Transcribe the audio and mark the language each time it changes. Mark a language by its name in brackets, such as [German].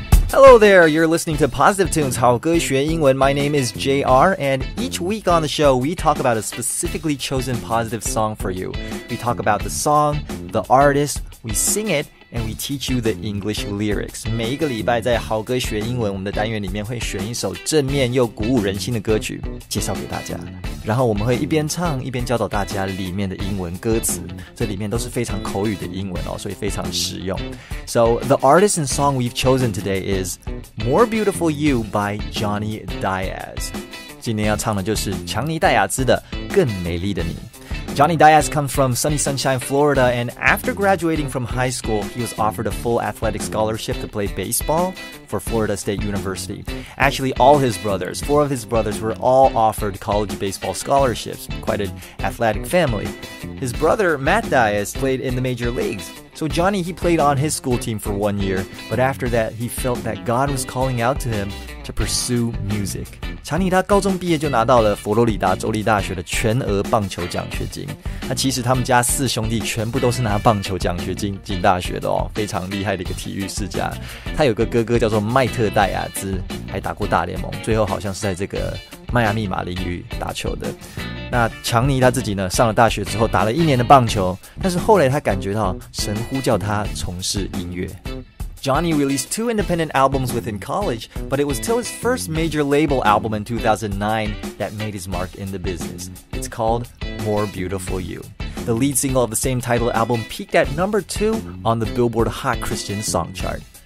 [English] Hello there, you're listening to Positive Tunes, 好歌学英文 My name is JR, and each week on the show, we talk about a specifically chosen positive song for you. We talk about the song, the artist, we sing it, and we teach you the English lyrics. [Chinese] 每一个礼拜在好歌学英文我们的单元里面会选一首正面又鼓舞人心的歌曲介绍给大家。然后我们会一边唱一边教导大家里面的英文歌词，这里面都是非常口语的英文哦，所以非常实用。 [English] So the artist and song we've chosen today is More Beautiful You by Jonny Diaz. [Chinese] 今天要唱的就是强尼戴亚兹的更美丽的你。 [English] Jonny Diaz comes from sunny Sunshine, Florida, and after graduating from high school, he was offered a full athletic scholarship to play baseball for Florida State University. Actually, four of his brothers were all offered college baseball scholarships. Quite an athletic family. His brother, Matt Diaz, played in the major leagues. So Jonny, he played on his school team for 1 year, but after that, he felt that God was calling out to him to pursue music. [Chinese] 强尼他高中毕业就拿到了佛罗里达州立大学的全额棒球奖学金。那其实他们家四兄弟全部都是拿棒球奖学金进大学的哦，非常厉害的一个体育世家。他有个哥哥叫做麦特戴亚兹，还打过大联盟，最后好像是在这个迈阿密马林鱼打球的。那强尼他自己呢，上了大学之后打了一年的棒球，但是后来他感觉到神呼叫他从事音乐。 [English] Jonny released two independent albums within college, but it was till his first major label album in 2009 that made his mark in the business. It's called More Beautiful You. The lead single of the same title album peaked at number 2 on the Billboard Hot Christian Song chart.